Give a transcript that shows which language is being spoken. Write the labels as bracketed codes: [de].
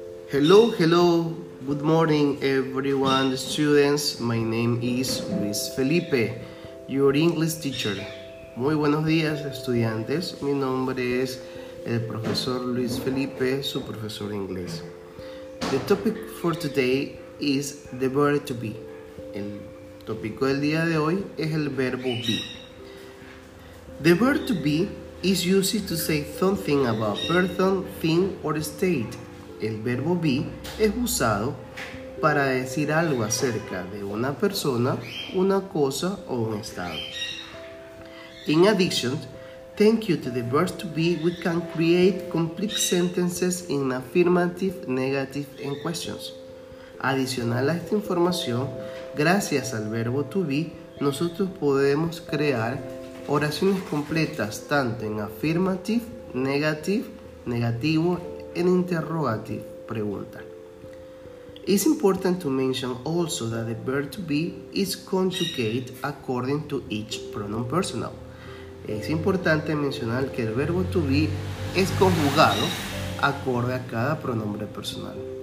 [en] Hello, hello. Good morning, everyone, students. My name is Luis Felipe, your English teacher. [es] Muy buenos días, estudiantes. Mi nombre es el profesor Luis Felipe, su profesor de inglés. [en] The topic for today is the verb to be. [es] El tópico del día de hoy es el verbo be. [en] The verb to be is used to say something about person, thing or state. [es] El verbo be es usado para decir algo acerca de una persona, una cosa o un estado. [en] In addition, thank you to the verb to be, we can create complete sentences in affirmative, negative, and questions. [es] Adicional a esta información, gracias al verbo to be, nosotros podemos crear oraciones completas tanto en affirmative, negative, negativo, and interrogative, pregunta. [en] It's important to mention also that the verb to be is conjugated according to each pronoun personal. [es] Es importante mencionar que el verbo to be es conjugado acorde a cada pronombre personal.